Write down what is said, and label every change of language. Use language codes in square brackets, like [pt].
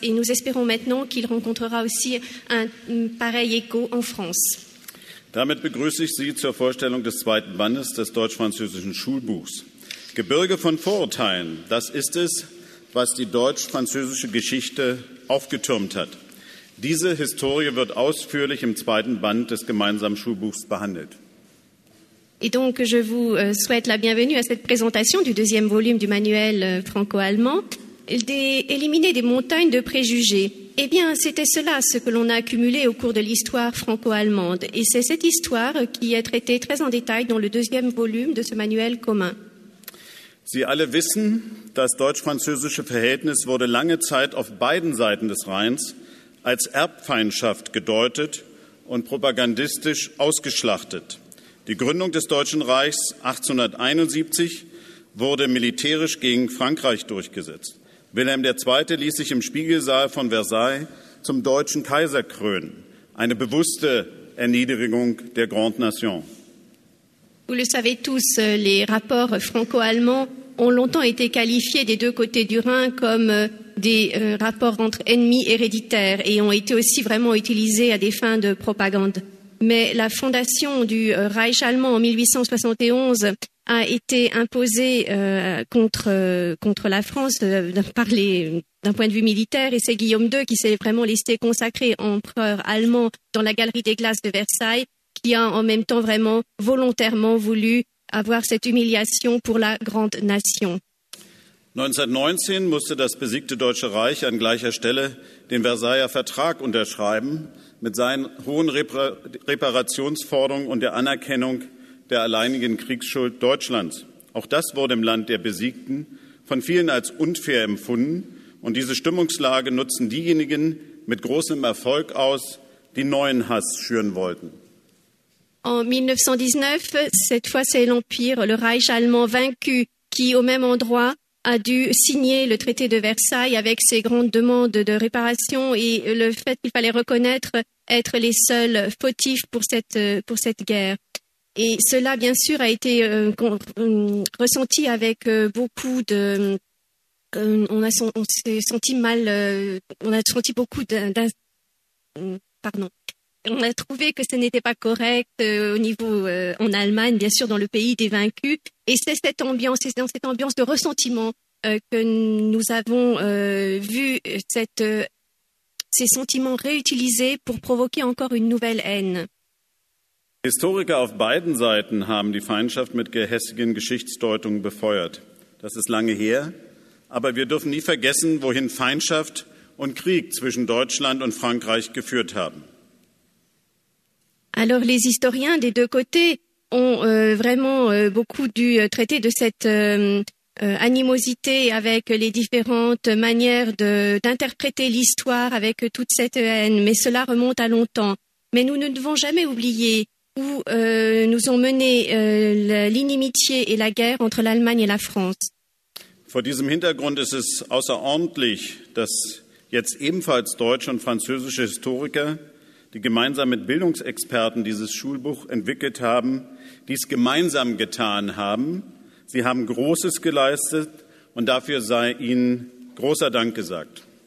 [fr] Et nous espérons maintenant qu'il rencontrera aussi un pareil écho en France. [de] Damit begrüße ich Sie zur Vorstellung des zweiten Bandes des deutsch-französischen Schulbuchs. Gebirge von Vorurteilen, das ist es, was die deutsch-französische Geschichte aufgetürmt hat. Diese Historie wird ausführlich im zweiten Band des gemeinsamen Schulbuchs behandelt. [fr] Et donc, je vous souhaite la bienvenue à cette présentation du deuxième volume du manuel franco-allemand. Éliminer des montagnes de préjugés. Eh bien, c'était cela ce que l'on a accumulé au cours de l'histoire franco-allemande. Et c'est cette histoire qui est traitée très en détail dans le deuxième volume de ce manuel commun. [de] Sie alle wissen, das deutsch-französische Verhältnis wurde lange Zeit auf beiden Seiten des Rheins als Erbfeindschaft gedeutet und propagandistisch ausgeschlachtet. Die Gründung des Deutschen Reichs 1871 wurde militärisch gegen Frankreich durchgesetzt. Wilhelm II. Ließ sich im Spiegelsaal von Versailles zum deutschen Kaiser krönen. Eine bewusste Erniedrigung der Grande Nation. [fr] Vous le savez tous, les rapports franco-allemands ont longtemps été qualifiés des deux côtés du Rhin comme des rapports entre ennemis héréditaires et ont été aussi vraiment utilisés à des fins de propagande. Mais la fondation du Reich allemand en 1871 a été imposée contre la France d'un point de vue militaire. Et c'est Guillaume II qui s'est vraiment laissé consacrer empereur allemand dans la galerie des glaces de Versailles, qui a en même temps vraiment volontairement voulu avoir cette humiliation pour la grande nation. [de] 1919 musste das besiegte Deutsche Reich an gleicher Stelle den Versailler Vertrag unterschreiben mit seinen hohen Reparationsforderungen und der Anerkennung der alleinigen Kriegsschuld Deutschlands. Auch das wurde im Land der Besiegten von vielen als unfair empfunden. Und diese Stimmungslage nutzen diejenigen mit großem Erfolg aus, die neuen Hass schüren wollten. [fr] En 1919, cette fois c'est l'Empire, le Reich allemand vaincu, qui au même endroit a dû signer le traité de Versailles avec ses grandes demandes de réparation et le fait qu'il fallait reconnaître être les seuls fautifs pour cette guerre. Et cela, bien sûr, a été ressenti avec beaucoup de. On a trouvé que ce n'était pas correct au niveau en Allemagne, bien sûr, dans le pays des vaincus. Et c'est dans cette ambiance de ressentiment que nous avons vu ces sentiments réutilisés pour provoquer encore une nouvelle haine. [de] Historiker auf beiden Seiten haben die Feindschaft mit gehässigen Geschichtsdeutungen befeuert. Das ist lange her, aber wir dürfen nie vergessen, wohin Feindschaft und Krieg zwischen Deutschland und Frankreich geführt haben. [fr] Alors les historiens des deux côtés ont vraiment beaucoup dû traiter de cette animosité avec les différentes manières d'interpréter l'histoire avec toute cette haine, mais cela remonte à longtemps. Mais nous ne devons jamais oublier où nous ont mené l'inimitié et la guerre entre l'Allemagne et la France. [de] Vor diesem Hintergrund ist es außerordentlich, dass jetzt ebenfalls deutsche und französische Historiker, die gemeinsam mit Bildungsexperten dieses Schulbuch entwickelt haben, dies gemeinsam getan haben. Sie haben Großes geleistet und dafür sei ihnen großer Dank gesagt.